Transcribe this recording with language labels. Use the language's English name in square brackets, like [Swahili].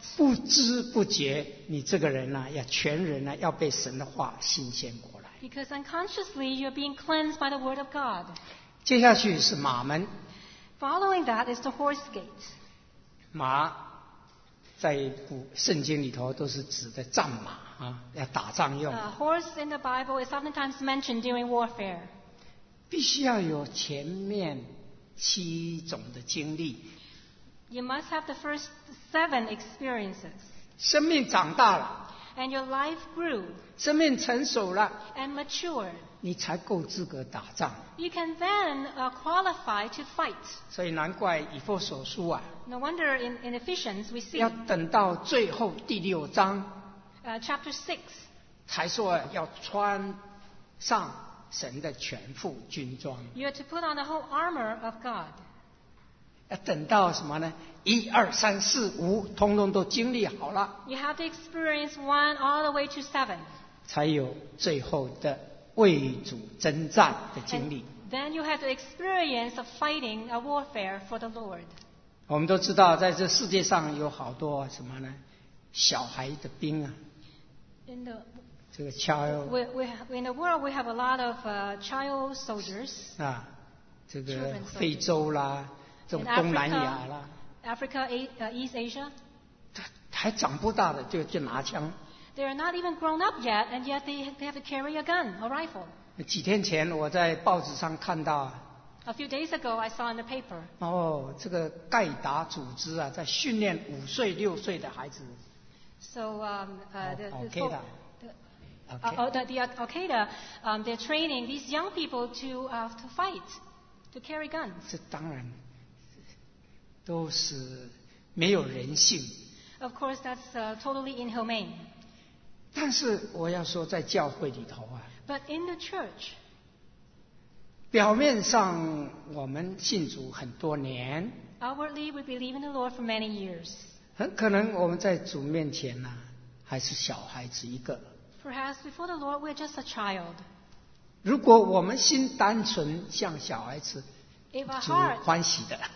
[Chinese] 不知不觉你这个人啊要全人啊要被神的话新鲜过来。 [English] Because unconsciously you're being cleansed by the word of God. [Chinese] 接下去是马门。 [English] Following that is the horse gate. [Chinese] 马在古圣经里头都是指的战马啊、要打仗用。 [English] A horse in the Bible is oftentimes mentioned during warfare. [Chinese] 必须要有前面七种的经历。 [English] You must have the first seven experiences. [Chinese] 生命长大了。 [English] And your life grew. [Chinese] 生命成熟了。 [English] And matured. [Chinese] 你才够资格打仗。 [English] You can then qualify to fight. [Chinese] 所以难怪以弗所书啊。 [English] No wonder in Ephesians we see. [Chinese] 要等到最后第六章。 [English] Chapter 6 [Chinese] 才说要穿上神的全副军装。 [English] You have to put on the whole armor of God. [Chinese] 要等到什么呢？一二三四五，通通都经历好了。 [English] You have to experience one all the way to seven. [Chinese] 才有最后的为主征战的经历。 [English] Then you have to experience a fighting a warfare for the Lord. [Chinese] 我们都知道，在这世界上有好多什么呢？小孩的兵啊。 [English] In the, [Chinese] 这个 child, [English] we, in the world, we have a lot of、child soldiers. [Chinese] 啊，这个非洲啦，这种东南亚啦 [English] ，Africa, East Asia. [Chinese] 还长不大的就拿枪。 [English] They are not even grown up yet, and yet they have to carry a gun, a rifle. [Chinese] 几天前我在报纸上看到。 [English] A few days ago, I saw in the paper. [Chinese] 哦，这个盖达组织啊，在训练五岁六岁的孩子。 [English] So the Al Qaeda, they're training these young people to fight, to carry guns. [Chinese] 这当然都是没有人性。 [English] Of course, that's totally inhumane. [Chinese] 但是我要说，在教会里头啊。 [English] But in the church, [Chinese] 表面上我们信主很多年。 [English] Outwardly, we believe in the Lord for many years. [Chinese] 很可能我们在主面前呢，还是小孩子一个。 [English] Perhaps before the Lord, we're just a child. [Chinese] 如果我们心单纯像小孩子，主欢喜的。